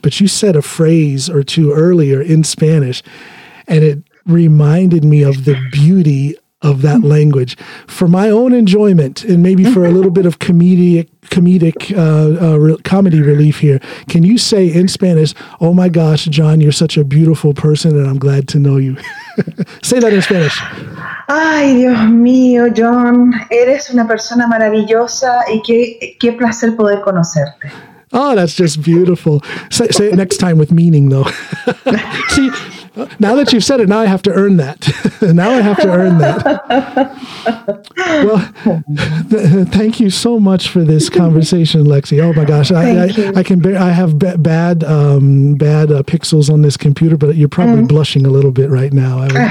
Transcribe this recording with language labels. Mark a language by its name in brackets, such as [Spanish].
[English] But you said a phrase or two earlier in Spanish, and it reminded me of the beauty of that language for my own enjoyment and maybe for a little bit of comedy relief here. Can you say in Spanish, "Oh my gosh, John, you're such a beautiful person and I'm glad to know you"? Say that in Spanish. [Spanish] Ay, Dios mío, John, eres una persona maravillosa y qué placer poder conocerte. [English] Oh, that's just beautiful. Say it next time with meaning, though. See, now that you've said it, now I have to earn that. Well, thank you so much for this conversation, Lexie. Oh my gosh, I have bad pixels on this computer, but you're probably blushing a little bit right now.